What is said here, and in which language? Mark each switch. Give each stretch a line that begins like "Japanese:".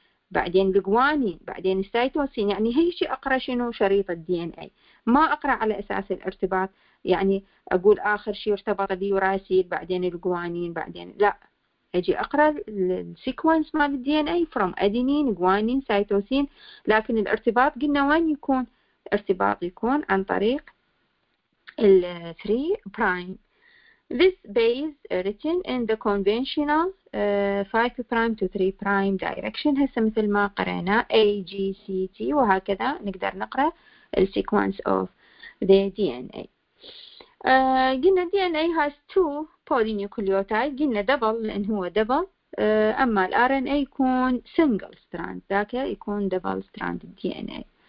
Arabic: بعدين الجوانين بعدين السيتوسين، يعني هي شيء اقرا شنو شريط الدي ان اي، ما اقرا على اساس الارتباط، يعني اقول اخر شيء ارتبط اليوراسيل بعدين الجوانين بعدين، لا اجي اقرا السيكونس مال الدي ان اي فروم ادينين جوانين سيتوسين، لكن الارتباط قلنا وين يكون؟ ارتباط يكون عن طريق الـ 3 prime.
English: This base written in the conventional 5 prime to 3 prime direction.
Arabic: هسا مثل ما قرأنا A, G, C, T وهكذا نقدر نقرأ الـ
English: sequence of the DNA.
Arabic: قلنا
English: DNA has two polynucleotides.
Arabic: قلنا double لأن هو double. أما الـ RNA يكون single strand. ذاك يكون double strand DNA.